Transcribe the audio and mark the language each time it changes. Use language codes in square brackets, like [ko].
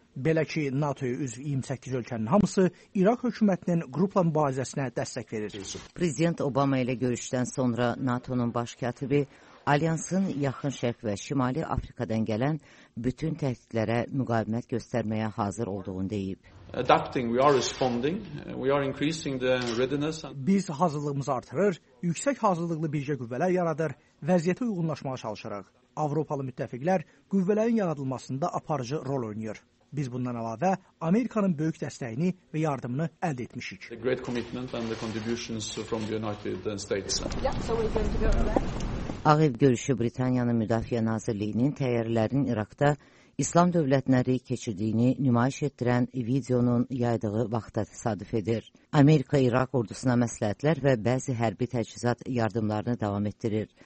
[az] Belə ki, NATO-ya üzv 28 ölkənin hamısı İraq hökumətinin qrupla mübarizəsinə dəstək verir. Prezident Obama ilə görüşdən sonra NATO-nun baş katibi Alyansın yaxın şərq və şimali Afrikadan gələn bütün təhdidlərə müqavimət göstərməyə hazır olduğunu deyib. [en] Adapting, we are responding, we are increasing the readiness. [az] Biz hazırlığımızı artırır, yüksək hazırlıqlı birgə qüvvələr yaradır, vəziyyətə uyğunlaşmağa çalışırıq. Avropalı müttəfiqlər qüvvələrin yaradılmasında aparıcı rol oynayır. Biz bundan əlavə Amerikanın böyük dəstəyini və yardımını əldə etmişik. [en] The great commitment and the contributions from the United States. [az] Ağ Ev görüşü Britaniyanın Müdafiə Nazirliyinin təyyarələrin İraqda İslam dövlətləri keçirdiyini nümayiş etdirən videonun yaydığı vaxta təsadüf edir. Amerika İraq ordusuna məsləhətlər və bəzi hərbi təchizat yardımlarını davam etdirir.